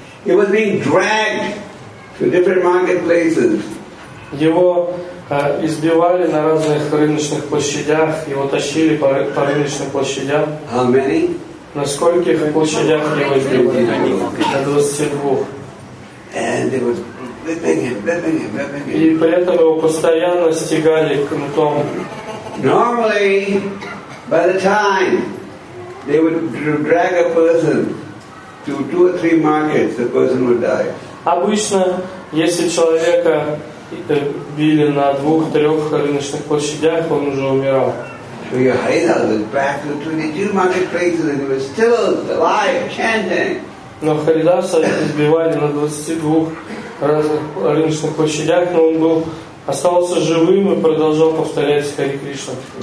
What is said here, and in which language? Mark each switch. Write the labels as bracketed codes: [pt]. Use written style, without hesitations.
[en] He was being dragged to different marketplaces. [ru] Его избивали на разных рыночных площадях, его тащили по рыночным площадям. [en] How many? [ru] На скольких площадях его избивали? На 22. [en] And it was whipping him, whipping him, whipping [ru] him. И при этом его постоянно стегали кнутом. [en] Normally, by the time they would drag a person to two or three markets, the person would die. [ru] Обычно, если человека били на двух-трех рыночных площадях, он уже умирал. [en] So your Haridas was back to 22 marketplaces and he was still alive, chanting. [ru] Но Харидаса избивали на 22 разных рыночных площадях, но он был остался живым и продолжал повторять Хари Кришна.